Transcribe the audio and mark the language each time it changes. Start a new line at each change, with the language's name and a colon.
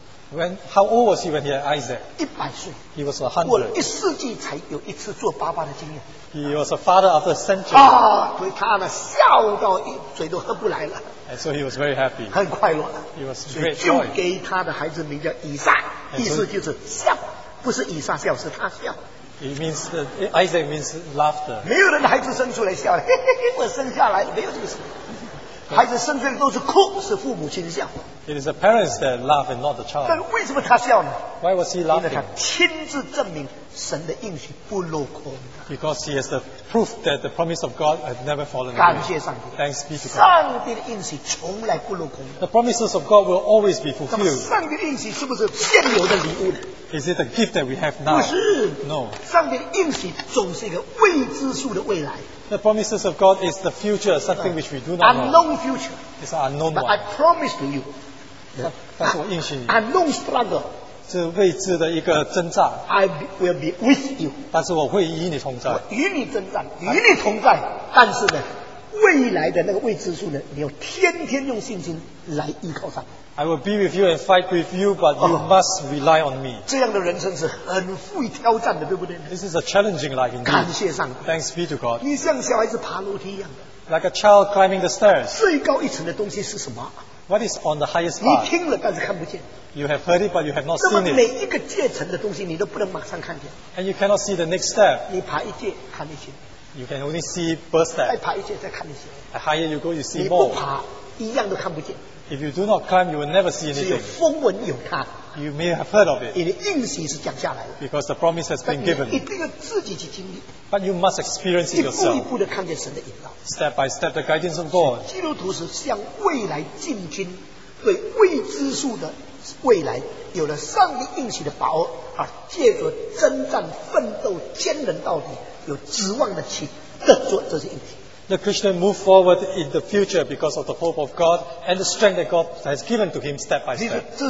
English: When, how old was he when he had Isaac? 100 He was 100.
Chinese: 我一世纪才有一次做爸爸的经验。
English: He was a father after a century.
Chinese: 啊，对他呢，笑到一嘴都合不来了。
English: And so he was very happy.
Chinese: 很快乐。
English: He was great joy.
Chinese: 就给他的孩子名叫以撒，意思就是笑，不是以撒笑，是他笑。
English: It means Isaac means laughter.
Chinese: 没有人的孩子生出来笑，嘿嘿嘿，我生下来没有这个事。孩子生出来都是哭，是父母亲的笑话。
English: It is the parents that laugh and not the child.
Chinese: 但为什么他笑呢？
English: Why was he laughing?
Chinese: 因为他亲自证明神的应许不落空。
English: Because he has the proof that the promise of God has never fallen.
Chinese: 感谢上帝。
English: Thanks be to God.
Chinese: 上帝的应许从来不落空。
English: The promises of God will always be fulfilled.
Chinese: 上帝的应许是不是现有的礼物呢？
English: Is it the gift that we have now?
Chinese: 不是。
English: No.
Chinese: 上帝的应许总是一个未知数的未来。
English: The promises of God is the future, something which we do not unknown know. Unknown future. It's an unknown but one. But I promise to you. That's what
Chinese: 应许你,
English: unknown struggle.
Chinese: 是未知的一个征战,
English: I will be with you.
Chinese: 但是我会与你同在, 我与你征战, 但是呢, 未来的那个未知数呢, 你要天天用信心来依靠上帝。
English: I will be with you and fight with you, but you must rely on me.
Chinese: 这样的人生是很富于挑战的，对不对？
English: This is a challenging life indeed.
Chinese: 感谢上帝。
English: Thanks be to God.
Chinese: 你像小孩子爬楼梯一样的。
English: Like a child climbing the stairs.
Chinese: 最高一层的东西是什么？
English: What is on the highest part?
Chinese: 你听了但是看不见。
English: You have heard it, but you have not seen it.
Chinese: 那么每一个阶层的东西，你都不能马上看见。
English: And you cannot see the next step.
Chinese: 你爬一阶看一阶。
English: You can only see first step.
Chinese: 再爬一阶再看一阶。
English: The higher you go, you see more.
Chinese: 你不爬，一样都看不见。
English: If you do not climb, you will never see anything.
Chinese: 只有风闻有他,
English: you may have heard of it.
Chinese: 你的应许是讲下来的,
English: because the promise has been given.
Chinese: 你一定要自己去经历,
English: but you must experience it yourself.
Chinese: 一步一步地看见神的引导,
English: step by step, the guidance of God.
Chinese: 基督徒是向未来进军, 对未知数的未来有了上帝应许的把握, 而借着征战奋斗坚忍到底, 有指望地去得着这些应许。
English: The Christian moved forward in the future because of the hope of God and the strength that God has given to him step by step.